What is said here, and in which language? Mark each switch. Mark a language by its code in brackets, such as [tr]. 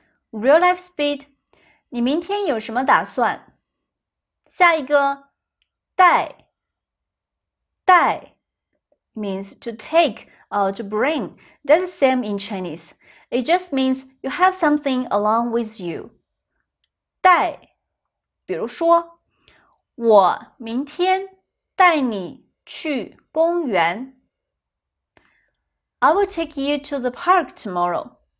[en] Real life speed, [zh] 你明天有什么打算? 下一个，带，带 [en] means to take or to bring. That's the same in Chinese. It just means you have something along with you. [zh] 带，比如说，我明天带你去公园。 [en] I will take you to the park tomorrow.